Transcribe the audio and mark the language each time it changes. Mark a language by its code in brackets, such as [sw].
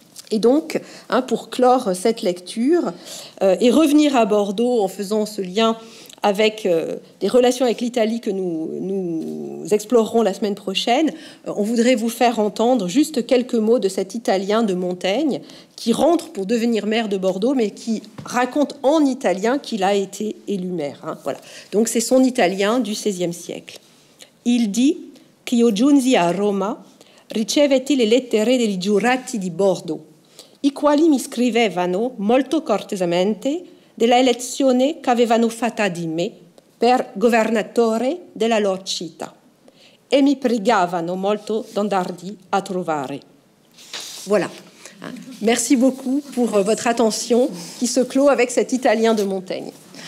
[fr] Et donc, hein, pour clore cette lecture et revenir à Bordeaux en faisant ce lien avec des relations avec l'Italie que nous explorerons la semaine prochaine, on voudrait vous faire entendre juste quelques mots de cet Italien de Montaigne qui rentre pour devenir maire de Bordeaux, mais qui raconte en italien qu'il a été élu maire. Hein, voilà. Donc c'est son Italien du XVIe siècle. Il dit [it] « Ch'io giunsi a Roma, ricevetti le lettere degli giurati di Bordeaux, i quali mi scrivevano molto cortesemente della elezione che avevano fatta di me per governatore della loro città e mi pregavano molto d'andarli a trovare. » Voilà. [fr] Merci beaucoup pour votre attention qui se clôt avec cet Italien de Montaigne.